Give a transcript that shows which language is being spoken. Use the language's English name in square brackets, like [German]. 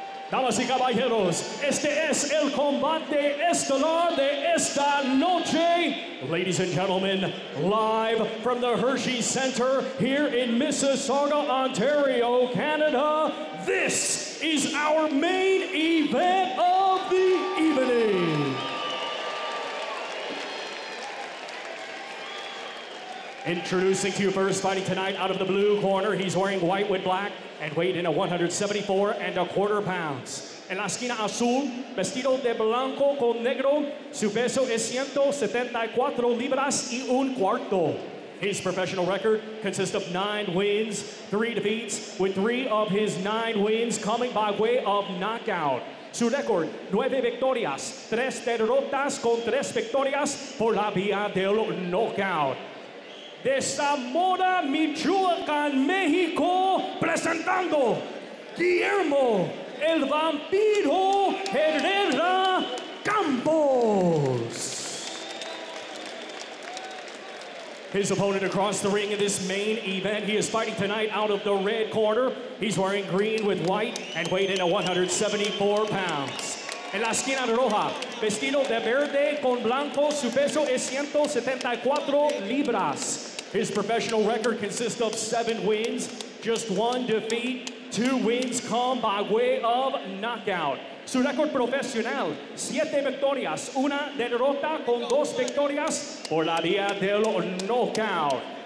[Spanish] Damas y caballeros, este es el combate estelar de esta noche. [English] Ladies and gentlemen, live from the Hershey Center here in Mississauga, Ontario, Canada, this is our main event of the evening. Introducing to you first, fighting tonight out of the blue corner, he's wearing white with black and weighed in at 174 and a quarter pounds. [Spanish] En la esquina azul, vestido de blanco con negro, su peso es 174 libras y un cuarto. [English] His professional record consists of 9 wins, 3 defeats, with 3 of his 9 wins coming by way of knockout. [Spanish] Su record, 9 victorias, 3 derrotas con 3 victorias por la vía del knockout. De Zamora, Michoacán, México, presentando Guillermo El Vampiro Herrera Campos. [English] His opponent across the ring in this main event, he is fighting tonight out of the red corner. He's wearing green with white and weighed in at 174 pounds. [Spanish] En la esquina roja, vestido de verde con blanco, su peso es 174 libras. [English] His professional record consists of 7 wins, just 1 defeat, 2 wins come by way of knockout. [Spanish] Su record profesional, 7 victorias, 1 derrota con 2 victorias por la vía del knockout.